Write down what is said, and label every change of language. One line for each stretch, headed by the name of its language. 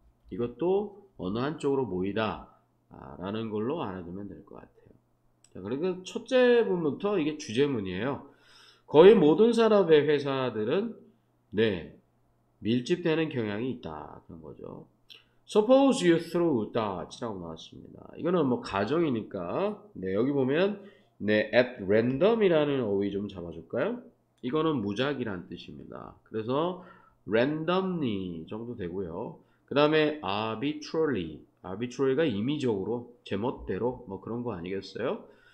Korean: 이것도 어느 한쪽으로 모이다라는 걸로 알아두면 될것 같아요. 자, 그리고 첫째 부분부터 이게 주제문이에요. 거의 모든 산업의 회사들은, 네, 밀집되는 경향이 있다. 그런 거죠.
English: Suppose you threw darts
Korean: 라고 나왔습니다. 이거는 뭐 가정이니까, 네, 여기 보면, 네, at random이라는 어휘 좀 잡아줄까요? 이거는 무작이란 뜻입니다. 그래서 randomly 정도 되고요. 그 다음에 arbitrarily. arbitrarily가 임의적으로, 제멋대로, 뭐 그런 거 아니겠어요?